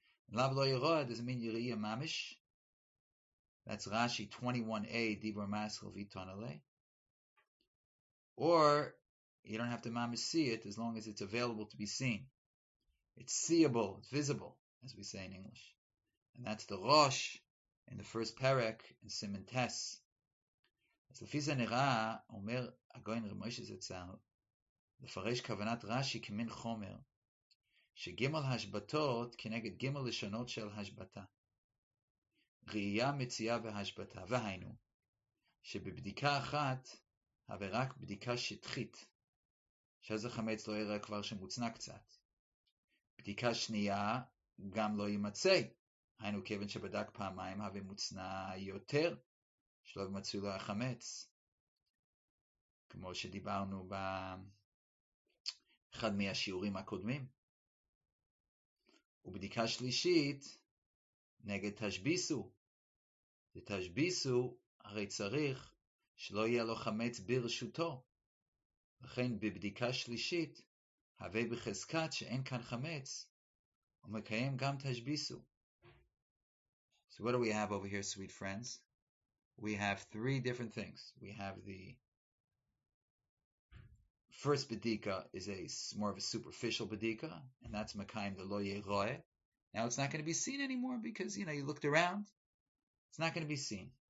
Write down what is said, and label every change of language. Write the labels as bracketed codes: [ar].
[en] And [he] lav lo yiroi [en] doesn't mean yiriya mamish. That's Rashi 21a, Dibur Maschil Vitonale. Or, you don't have to mamish see it as long as it's available to be seen. It's seeable, it's visible, as we say in English. And that's the Rosh in the first Perek in Simen Tes. [he] אז לפי זה נראה, אומר הגאון רבי משה זצ"ל, לפרש כוונת רש"י כמין חומר, שגימל השבתות כנגד גימל לשונות של השבתה. ראייה, מציאה והשבתה. והיינו, שבבדיקה אחת, הווה רק בדיקה שטחית, שאז החמץ לא יראה כבר שמוצנע קצת. בדיקה שנייה, גם לא יימצא. היינו, כיוון שבדק פעמיים, הווה מוצנע יותר. שלא במצוי לא החמץ, כמו שדיברנו באחד מהשיעורים הקודמים. ובדיקה שלישית, נגד תשביסו. ותשביסו, הרי צריך שלא יהיה לו חמץ ברשותו. לכן בבדיקה שלישית, הווה בחזקת שאין כאן חמץ, ומקיים גם תשביסו. [en] So what do we have over here, sweet friends? We have three different things. We have the first bedika is a more of a superficial bedika, and that's makayim the [he] lo yeroe. [en] Now it's not going to be seen anymore because, you know, you looked around. It's not going to be seen.